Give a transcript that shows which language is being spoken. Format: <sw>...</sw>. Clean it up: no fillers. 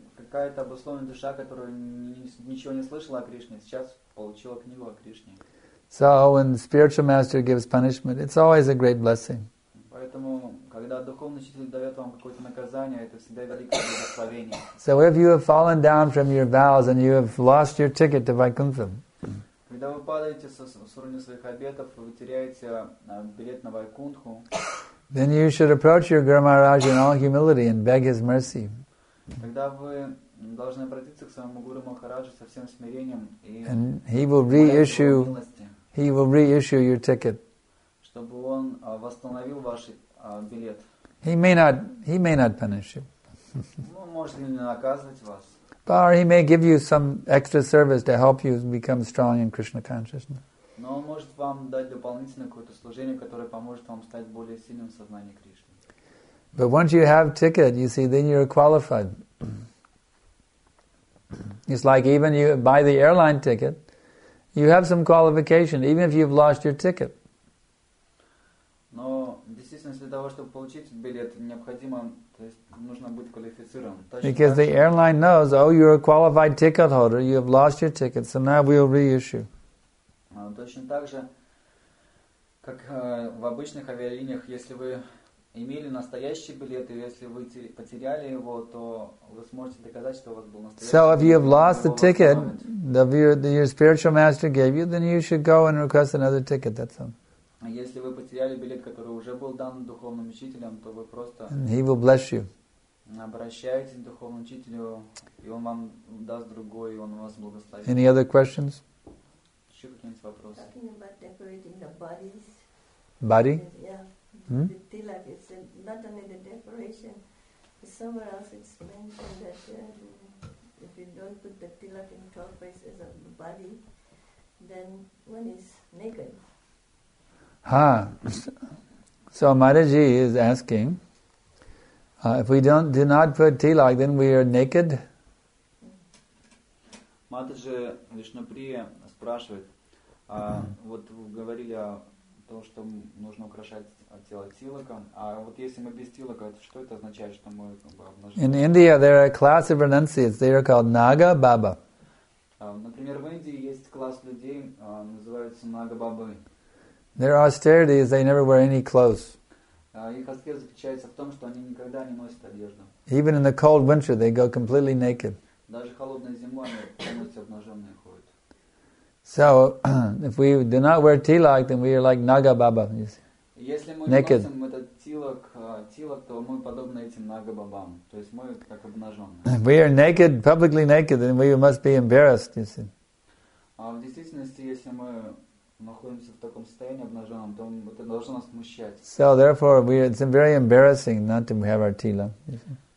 <ru>Какая-то обусловленная душа, которая ничего не слышала о Кришне, сейчас получила книгу о Кришне.</ru> <en>So when the spiritual master gives punishment, it's always a great blessing.</en> <ru>Поэтому, когда духовный учитель дает вам какое-то наказание, это всегда великое благословение.</ru> <en>So if you have fallen down from your vows and you have lost your ticket to Vaikuntha.</en> <ru>Когда вы падаете с уровня своих обетов, вы теряете билет на Вайкунтху.</ru> <en>Then you should approach your Guru Maharaj in all humility and beg his mercy.</en> <ru>Тогда вы должны обратиться к своему Гуру Махараджу со всем смирением и</ru> <en>and he will reissue, he will reissue your ticket.</en> <ru>Чтобы он восстановил ваш билет.</ru> <en>He may not punish you.</en> <ru>Ну, может ли не наказывать вас.</ru> <en>Or he may give you some extra service to help you become strong in Krishna consciousness.</en> <ru>Но он может вам дать дополнительное какое-то служение, которое поможет вам стать более сильным в сознании Кришны.</ru> <en>But once you have ticket, you see, then you're qualified. It's like even you buy the airline ticket, you have some qualification, even if you've lost your ticket.</en> <ru>Но действительно, для того, чтобы получить билет, необходимо, то есть нужно быть квалифицирован.</ru> <en>Because the airline knows, oh, you're a qualified ticket holder, you have lost your ticket, so now we'll reissue.</en> <ru>Точно так же, как в обычных авиалиниях, если вы имели настоящий билет, и если вы потеряли его, то вы сможете доказать, что у вас был настоящий билет.</ru> <en>So if you have lost the ticket that your spiritual master gave you, then you should go and request another ticket. That's all.</en> <ru>Если вы потеряли билет, который уже был дан духовным учителем, то вы просто</ru> <en>and he will bless you.</en> <ru>Обращайтесь к духовному учителю, и он вам даст другой, и он вас благословит.</ru> <en>Any other questions?</en> <ru>Еще какие-нибудь вопросы?</ru> <en>Talking about decorating the bodies. Body? Yeah. The tilak is not only the decoration. Somewhere else it's mentioned that if you don't put the tilak in 12 places of the body, then one is naked. Huh. So Mataji is asking, if we do not put tilak, then we are naked.</en> <ru>Mataji Vishnupriya спрашивает, вот вы говорили о то, что нужно украшать тело тилаком. А вот если мы без тилака, что это означает, что мы обнажены?</ru> <en>In India there are a class of renunciates. They are called Naga Baba.</en> <ru>Например, в Индии есть класс людей, называются Naga Baba.</ru> <en>Their austerity is they never wear any clothes.</en> <ru>Их аскеза заключается в том, что они никогда не носят одежду.</ru> <en>Even in the cold winter they go completely naked.</en> <ru>Даже холодной зимой они полностью обнаженные ходят.</ru> <en>So, if we do not wear tilak, then we are like Naga Baba, you see.</en> <ru>Если мы naked. Не носим этот тилак, то мы подобны этим Naga Babam. То есть мы как обнаженные.</ru> <en>If we are naked, publicly naked, then we must be embarrassed, you see.</en> <ru>В действительности, если мы находимся в таком состоянии обнаженном, то это должно нас смущать.</ru> <en>So, therefore, it's very embarrassing not to have our tilak, you see.</en>